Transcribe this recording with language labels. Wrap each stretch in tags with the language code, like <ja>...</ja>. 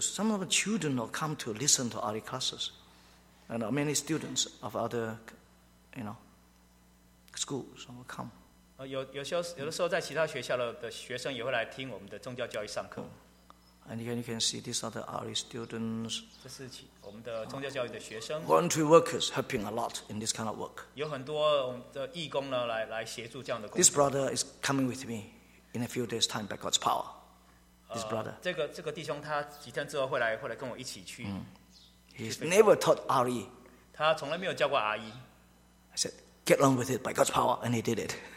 <en>Some of the children will come to listen to RE classes, and many students of other, you know, schools will come.</en> <zh>有的时候在其他学校的学生也会来听我们的宗教教育上课。</zh> <en>And you can see these are the RE students.</en> <zh>这是我们的宗教教育的学生。</zh> <en>Voluntary workers helping a lot in this kind of work.</en> <zh>有很多的义工呢，来协助这样的工作。</zh> <en>This brother is coming with me in a few days' time by God's power. This brother.</en> <zh>这个弟兄他几天之后会来跟我一起去。</zh> <en>He's never taught RE.</en> <zh>他从来没有教过 RE.</zh> <en>I said, get on with it by God's power, and he did it.</en>